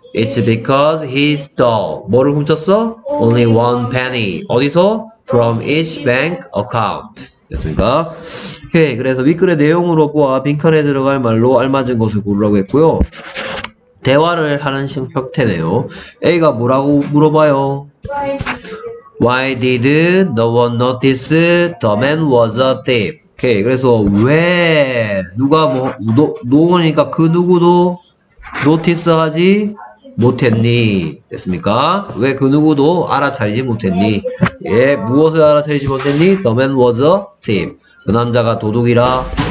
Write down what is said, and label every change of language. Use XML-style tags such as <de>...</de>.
<en>It's because he stole.</en> <ko>뭐를 훔쳤어?</ko> <en>Only one penny.</en> <ko>어디서?</ko> <en>From each bank account.</en> <ko>됐습니까? 오케이. 그래서 윗글의 내용으로 보아 빈칸에 들어갈 말로 알맞은 것을 고르라고 했고요. 대화를 하는 식 형태네요. A가 뭐라고 물어봐요?</ko> <en>Why did no one notice the man was a thief?</en> <ko>오케이. 그래서 왜 누가 뭐 노니까 그 누구도 노티스하지? 못했니? 됐습니까? 왜그 누구도 알아차리지 못했니? 예, 무엇을 알아차리지 못했니?</ko> <en>The man was a thief.</en> <ko>그 남자가 도둑이라.</ko>